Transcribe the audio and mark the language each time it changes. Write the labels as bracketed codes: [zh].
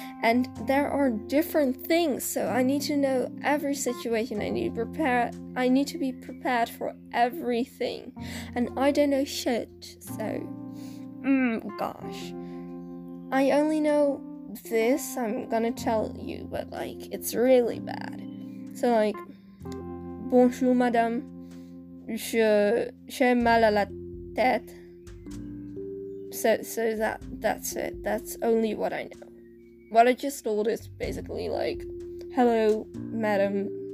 [en] And there are different things, so I need to know every situation. I need to be prepared for everything. And I don't know shit, so... gosh. I only know this, I'm gonna tell you, but, like, it's really bad. So, like, [fr] bonjour madame, j'ai mal à la tête. [en] So that's it. That's only what I know. What I just told is basically, like, hello, madam.